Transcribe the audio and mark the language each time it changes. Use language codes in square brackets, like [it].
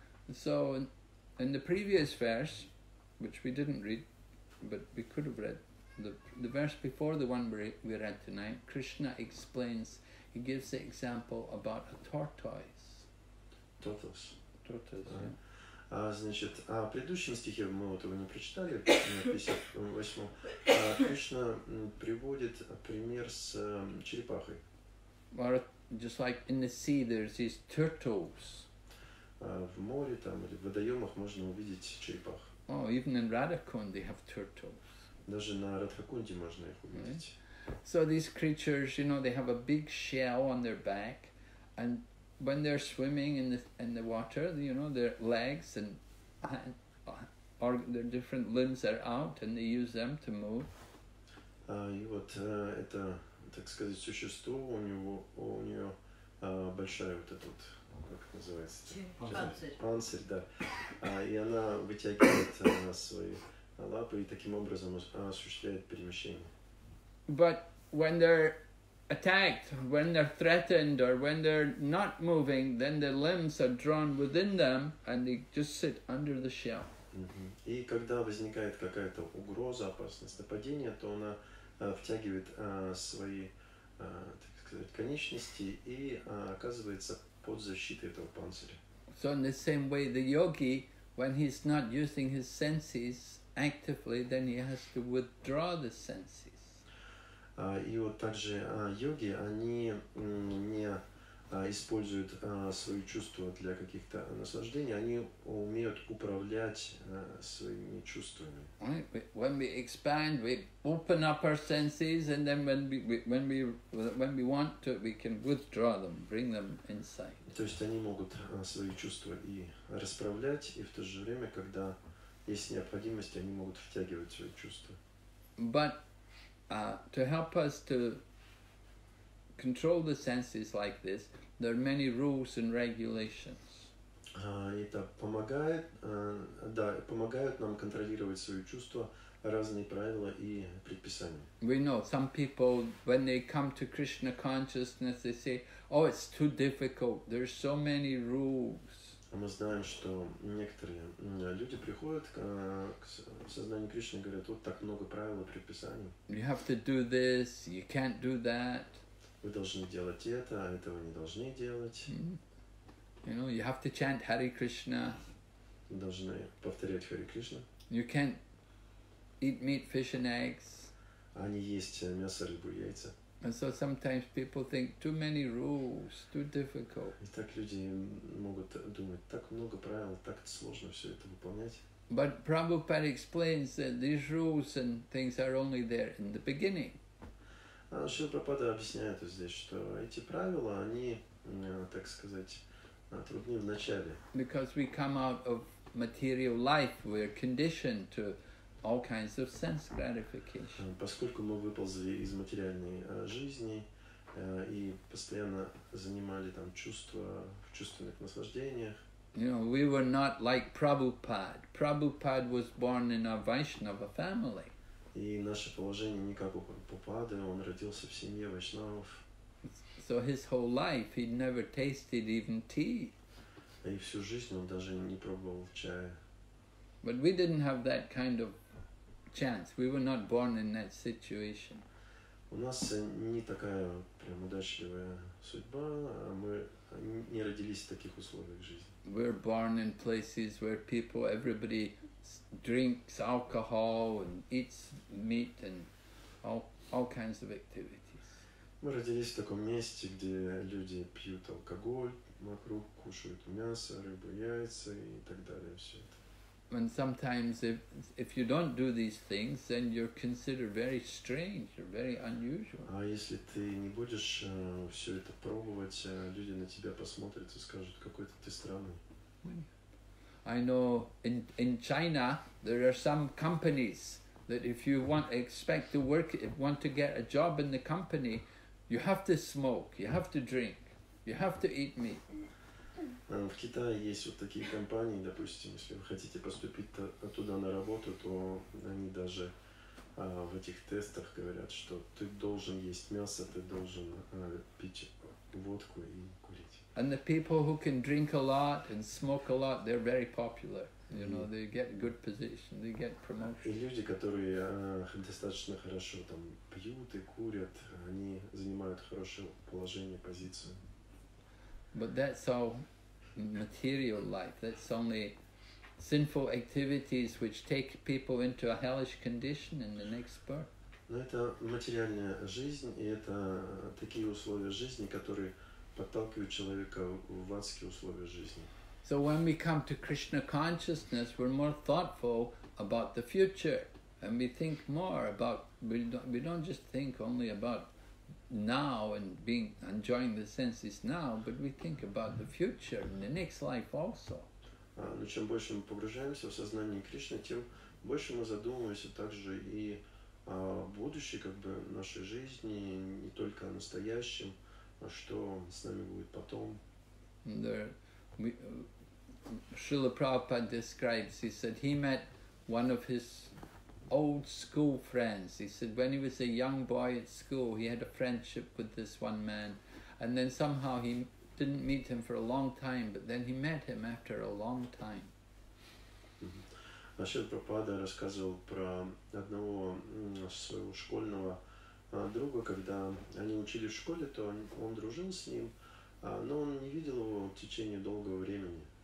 [en] So, in the previous verse, which we didn't read, but we could have read, the verse before the one we read tonight, Krishna explains, he gives the example about a tortoise. Tortoise. Yeah. [ru] Значит, о предыдущем стихе мы вот его не прочитали, 58. Кришна приводит пример с черепахой. [en] Or just like in the sea, there's these turtles. [ru] В море там или в водоемах можно увидеть черепах. [en] Oh, even in Radhakund they have turtles. [ru] Даже на Радхакунде можно их увидеть. [en] Right? So these creatures, you know, they have a big shell on their back, and when they're swimming in the water, you know, their legs and their different limbs are out, and they use them to move. [ru] И вот это, так сказать, существо у нее большая вот эта вот, как это называется? Панцирь, да. И она вытягивает свои лапы и таким образом осуществляет перемещение. [en] But when they're attacked, when they're threatened or when they're not moving, then the limbs are drawn within them and they just sit under the shell. [ru] Mm-hmm. И когда возникает какая-то угроза, опасность, нападение, то она втягивает свои, так сказать, конечности и оказывается под защитой этого панциря. [en] So in the same way, the yogi, when he's not using his senses actively, then he has to withdraw the senses. [ru] И вот также йоги, они не используют свои чувства для каких-то наслаждений, они умеют управлять своими чувствами. [en] When we expand, we open up our senses, and then when we want to, we can withdraw them, bring them inside. [ru] То есть они могут свои чувства и расправлять, и в то же время, когда есть необходимость, они могут втягивать свои чувства. [en] But to help us to control the senses like this, there are many rules and regulations. [ru] Это помогает, помогают нам контролировать свои чувства разные правила и предписания. [en] We know some people, when they come to Krishna consciousness, they say, "Oh, it's too difficult. There's so many rules." [ru] Мы знаем, что некоторые люди приходят к сознанию Кришны и говорят, вот так много правил и предписаний. [en] You have to do this, you can't do that. [ru] Вы должны делать это, а этого не должны делать. Mm-hmm. [en] You know, you have to chant Hare Krishna. [ru] Вы должны повторять Hare Krishna. [en] You can't eat meat, fish and eggs. [ru] А не есть мясо, рыбу, яйца. [en] And so sometimes people think too many rules, too difficult. [ru] И так люди могут думать, так много правил, так сложно все это выполнять. [en] But Prabhupada explains that these rules and things are only there in the beginning. [ru] Шрила Прабхупада объясняет здесь, что эти правила, они, так сказать, трудны в начале. [en] Because we come out of material life, we're conditioned to all kinds of sense gratification. [ru] Поскольку мы выползли из материальной жизни и постоянно занимали там чувства в чувственных наслаждениях. [en] You know, we were not like Prabhupada. Prabhupada was born in a Vaishnava family. [ru] И наше положение не как у Прабхупады, он родился в семье вайшнавов. [en] So his whole life he never tasted even tea. [ru] И всю жизнь он даже не пробовал чая. [en] But we didn't have that kind of chance. We were not born in that situation. [ru] У нас не такая прям удачливая судьба, мы не родились в таких условиях жизни. [en] We're born in places where people, everybody drinks alcohol and eats meat and all kinds of activities. [ru] Мы родились в таком месте, где люди пьют алкоголь вокруг, кушают мясо, рыбу, яйца и так далее, все это. [en] And sometimes if you don't do these things, then you're considered very strange or very unusual. [ru] А если ты не будешь все это пробовать, люди на тебя посмотрят и скажут, какой-то ты странный. [en] I know in China there are some companies that if you want expect to work, if want to get a job in the company, you have to smoke, you have to drink, you have to eat meat. [ru] В Китае есть вот такие компании, допустим, если вы хотите поступить оттуда на работу, то они даже в этих тестах говорят, что ты должен есть мясо, ты должен пить водку и курить. [en] And the people who can drink a lot and smoke a lot, they're very popular. You know, they get good position, they get promotion. [ru] И люди, которые достаточно хорошо там пьют и курят, они занимают хорошее положение, позицию. [en] But that's all material life. That's only sinful activities which take people into a hellish condition in the next birth. [ru] Но это материальная жизнь, и это такие условия жизни, которые подталкивают человека в адские условия жизни. [en] So when we come to Krishna consciousness, we're more thoughtful about the future, and we think more about. We don't just think only about now and being enjoying the senses now, but we think about the future and the next life also. [ru] Но чем больше мы погружаемся в сознание Кришны, тем больше мы задумываемся также и о будущем, как бы нашей жизни, не только о настоящем, а что с нами будет потом. [en] Srila Prabhupada describes, he said he met one of his old school friends. He said when he was a young boy at school, he had a friendship with this one man. And then somehow he didn't meet him for a long time, but then he met him after a long time. [ru] Srila Prabhupada рассказывал про одного своего школьного друга, когда они учились в школе, то он дружил с ним, но он не видел его в течение долгого времени.